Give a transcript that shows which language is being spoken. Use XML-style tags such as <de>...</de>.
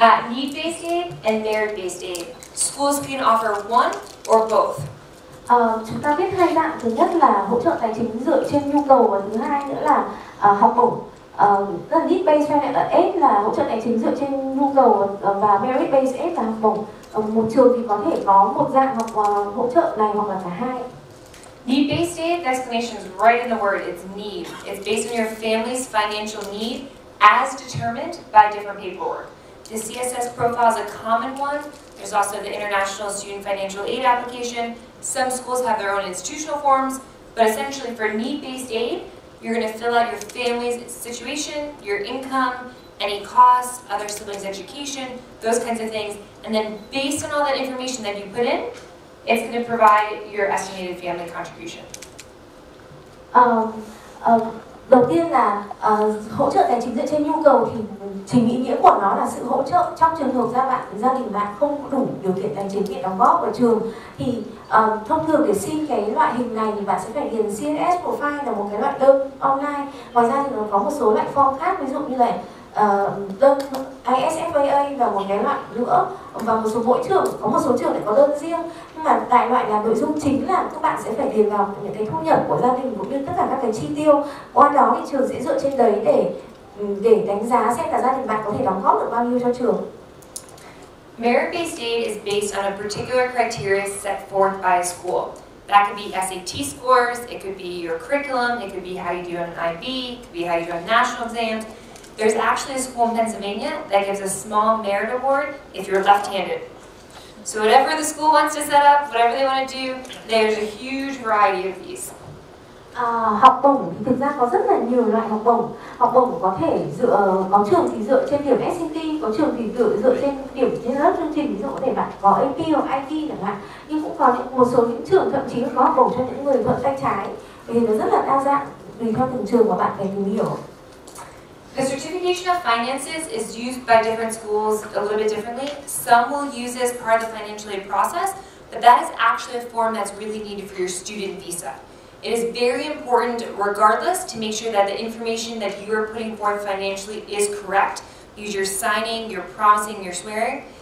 <en>Need-based aid and merit-based aid. Schools can offer one or both.</en> <vi>Chúng ta biết hai dạng, thứ nhất là hỗ trợ tài chính dựa trên nhu cầu, và thứ hai nữa là học bổng. Need-based aid là hỗ trợ tài chính dựa trên nhu cầu, và merit-based aid là học bổng. Một trường thì có thể có một dạng hoặc hỗ trợ này hoặc là cả hai.</vi> <en>Need-based aid, the explanation is right in the word, it's need. It's based on your family's financial need as determined by different paperwork. The CSS profile is a common one. There's also the International Student Financial Aid application. Some schools have their own institutional forms, but essentially for need-based aid, you're going to fill out your family's situation, your income, any costs, other siblings' education, those kinds of things. And then based on all that information that you put in, it's going to provide your estimated family contribution.</en> <vi>Đầu tiên là hỗ trợ tài chính dựa trên nhu cầu, thì chính ý nghĩa của nó là sự hỗ trợ trong trường hợp gia đình bạn không đủ điều kiện tài chính để đóng góp vào trường. Thì thông thường để xin cái loại hình này thì bạn sẽ phải điền CSS profile, là một cái loại đơn online. Ngoài ra thì nó có một số loại form khác, ví dụ như là đơn ISFAA và một cái loại nữa. Và một số mỗi trường, có một số trường lại có đơn riêng. Nhưng mà đại loại là nội dung chính là các bạn sẽ phải điền vào những cái thu nhập của gia đình cũng như tất cả các cái chi tiêu. Qua đó thì trường sẽ dựa trên đấy để đánh giá xem là gia đình bạn có thể đóng góp được bao nhiêu cho trường.</vi> <en>Merit-based aid is based on a particular criteria set forth by a school. That could be SAT scores, it could be your curriculum, it could be how you do on an IB, it could be how you do on national exams. There's actually a school in Pennsylvania that gives a small merit award if you're left-handed. So whatever the school wants to set up, whatever they want to do, there's a huge variety of these.</en> <vi>Học bổng thì thực ra có rất là nhiều loại học bổng. Học bổng có thể có trường thì dựa trên điểm SAT, có trường thì dựa trên điểm trên lớp chương trình, ví dụ có thể bạn có AP hoặc IT chẳng hạn. Nhưng cũng có một số những trường thậm chí có học bổng cho những người thuận tay trái. Vì nó rất là đa dạng tùy theo từng trường mà bạn phải tìm hiểu.</vi> <en>The certification of finances is used by different schools a little bit differently. Some will use it as part of the financial aid process, but that is actually a form that's really needed for your student visa. It is very important, regardless, to make sure that the information that you are putting forth financially is correct. Use your signing, your promising, your swearing.</en>